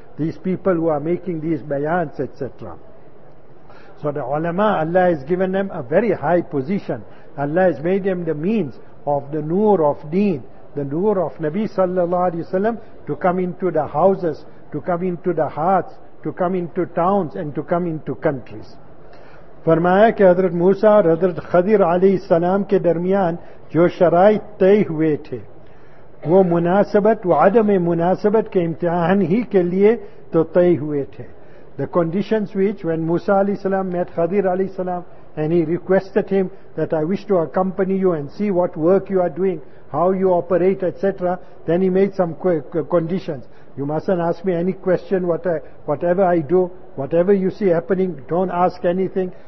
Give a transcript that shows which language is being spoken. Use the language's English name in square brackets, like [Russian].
[English] These people who are making these bayans, etc. So the ulama, Allah has given them a very high position. Allah has made them the means of the nur of deen, the nur of Nabi sallallahu alayhi wa sallam, to come into the houses, to come into the hearts, to come into towns, and to come into countries. [Urdu] فرمایا کہ حضرت موسیٰ اور حضرت خضر علیہ السلام کے درمیان جو شرائط طے ہوئے تھے وہ مناسبت و عدم مناسبت کے امتحان ہی کے لیے تو طے ہوئے تھے. [English] The conditions which when Musa علیہ السلام met Khadir علیہ السلام and he requested him that I wish to accompany you and see what work you are doing, how you operate, etc. Then he made some conditions. You mustn't ask me any question, whatever I do, whatever you see happening, don't ask anything.